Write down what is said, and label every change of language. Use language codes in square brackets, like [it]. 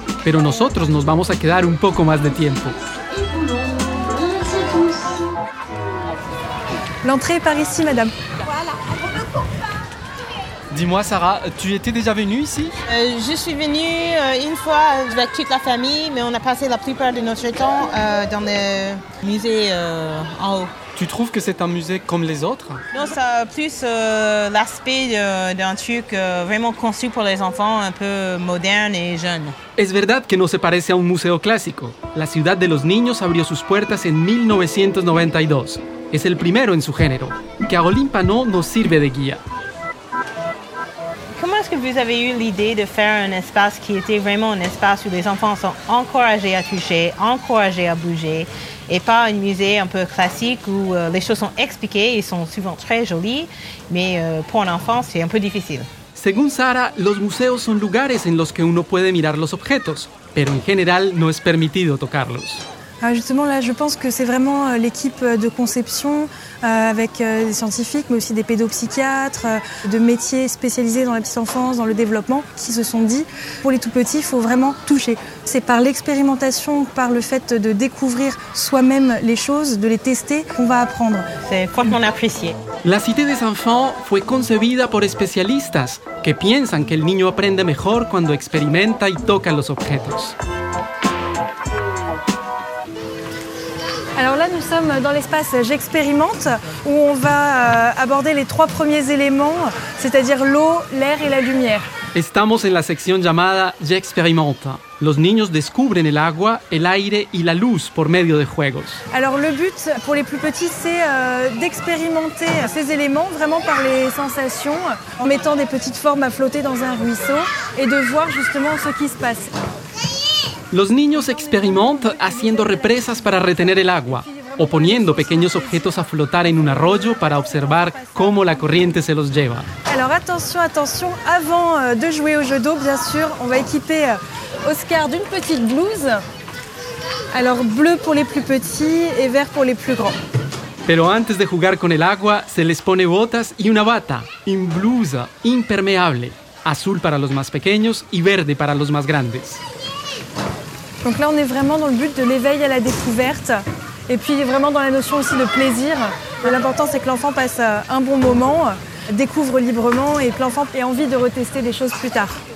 [es] Pero nosotros nos vamos a quedar un poco más de tiempo. [fr] L'entrée est par ici, madame. Dis-moi, Sara, tu étais déjà venue ici? Je suis venue une fois avec toute la famille, mais on a passé la plupart de notre temps dans le musée en haut. Tu trouves que c'est un musée comme les autres? Non, ça a plus l'aspect d'un truc vraiment conçu pour les enfants, un peu moderne et jeune. [es] Es verdad que no se parece a un museo clásico. La ciudad de los niños abrió sus puertas en 1992. Es el primero en su género. Caroline Panot nos sirve de guía. [fr] Comment est-ce que vous avez eu l'idée de faire un espace qui était vraiment un espace où les enfants sont encouragés à toucher, encouragés à bouger, et pas un musée un peu classique où les choses sont expliquées et sont souvent très jolies, mais pour un enfant, c'est un peu difficile. [es] Según Sara, los museos son lugares en los que uno puede mirar los objetos, pero en general no es permitido tocarlos. [fr] Ah, justement, là, je pense que c'est vraiment l'équipe de conception avec des scientifiques, mais aussi des pédopsychiatres, de métiers spécialisés dans la petite enfance, dans le développement, qui se sont dit, pour les tout-petits, il faut vraiment toucher. C'est par l'expérimentation, par le fait de découvrir soi-même les choses, de les tester, qu'on va apprendre. C'est fortement apprécié. [es] La Cité des Enfants fue concebida por especialistas que piensan que el niño aprende mejor cuando experimenta y toca los objetos. [fr] Alors là, nous sommes dans l'espace J'expérimente, où on va aborder les trois premiers éléments, c'est-à-dire l'eau, l'air et la lumière. [es] Estamos en la sección llamada J'expérimente. Los niños descubren el agua, el aire y la luz por medio de juegos. [fr] Alors le but pour les plus petits, c'est d'expérimenter ces éléments vraiment par les sensations, en mettant des petites formes à flotter dans un ruisseau et de voir justement ce qui se passe. [es] Los niños experimentan haciendo represas para retener el agua o poniendo pequeños objetos a flotar en un arroyo para observar cómo la corriente se los lleva. [fr] Alors attention, attention, avant de jouer au jeu d'eau, bien sûr, on va équiper Oscar d'une petite blouse. Alors bleu pour les plus petits et vert pour les plus grands. [es] Pero antes de jugar con el agua, se les pone botas y una bata, [fr] une blouse [es] impermeable, azul para los más pequeños y verde para los más grandes. [fr] Donc là, on est vraiment dans le but de l'éveil à la découverte et puis vraiment dans la notion aussi de plaisir. L'important, c'est que l'enfant passe un bon moment, découvre librement et que l'enfant ait envie de retester des choses plus tard.